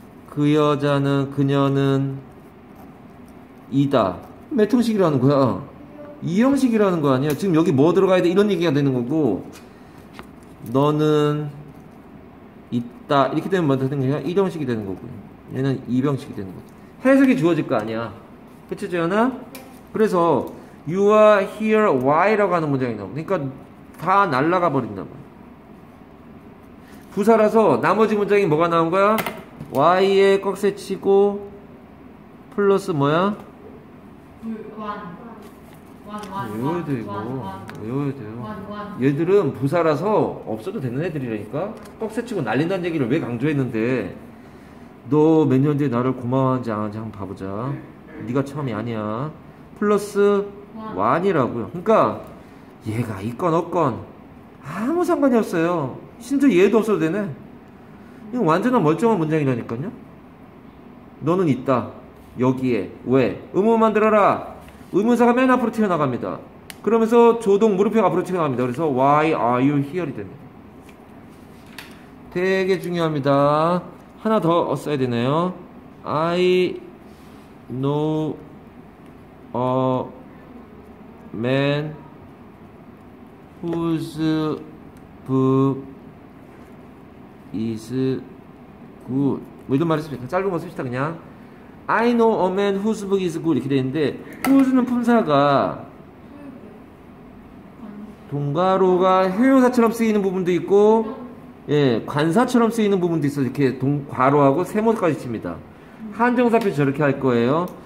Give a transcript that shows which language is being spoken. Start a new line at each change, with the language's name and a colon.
Korean: 그 여자는 그녀는 이다. 몇 형식이라는 거야? 이형식이라는 거 아니야? 지금 여기 뭐 들어가야 돼? 이런 얘기가 되는 거고 너는 있다 이렇게 되면 뭐 되는 거야? 이형식이 되는 거고요. 얘는 이형식이 되는 거지. 해석이 주어질 거 아니야. 그치 재현아?
English: 그래서 You are here, why?
Korean: 라고 하는 문장이 나오고. 그러니까 다 날라가 버린단 말이야. 부사라서 나머지 문장이 뭐가 나온 거야? Y에 꺽쇠 치고, 플러스 뭐야? 외워야 돼, 이거. 외워야 돼요. 얘들은 부사라서 없어도 되는 애들이라니까? 꺽쇠 치고 날린다는 얘기를 왜 강조했는데, 너 몇 년 뒤에 나를 고마워하는지 안 하는지 한번 봐보자. 네가 처음이 아니야. 플러스, 완이라고요. 그러니까 얘가 있건 없건 아무 상관이 없어요. 심지어 얘도 없어도 되네. 이건 완전한 멀쩡한 문장이라니까요. 너는 있다. 여기에. 왜? 의문 만들어라. 의문사가 맨 앞으로 튀어나갑니다. 그러면서 조동 물음표가 앞으로 튀어나갑니다. 그래서
English: Why are you here?
Korean: 이 됩니다. 되게 중요합니다. 하나 더 써야 되네요.
English: I know a man whose book is good.
Korean: 뭐 이런 말 했습니다. 짧은 거 씁시다, 그냥.
English: I know a man whose book is good.
Korean: 이렇게 되는데, whose는 품사가 동가로가 형용사처럼 쓰이는 부분도 있고, 예, 관사처럼 쓰이는 부분도 있어. 이렇게 과로하고 세모까지 칩니다. 한정사표 저렇게 할 거예요.